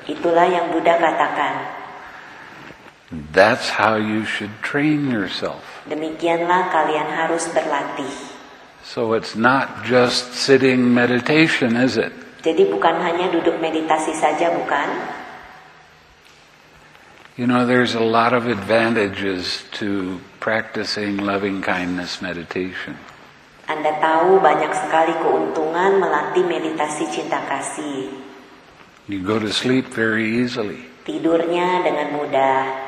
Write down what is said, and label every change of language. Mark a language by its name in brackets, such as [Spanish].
[Indonesian] Itulah yang Buddha katakan. [English] That's how you should train yourself. [Indonesian] Demikianlah kalian harus berlatih. [English] So it's not just sitting meditation, is it? [Indonesian] Jadi bukan hanya duduk meditasi saja, bukan? [English] You know, there's a lot of advantages to practicing loving kindness meditation. [Indonesian] Anda tahu banyak sekali keuntungan melatih meditasi cinta kasih. [English] You go to sleep very easily. [Indonesian] Tidurnya dengan mudah.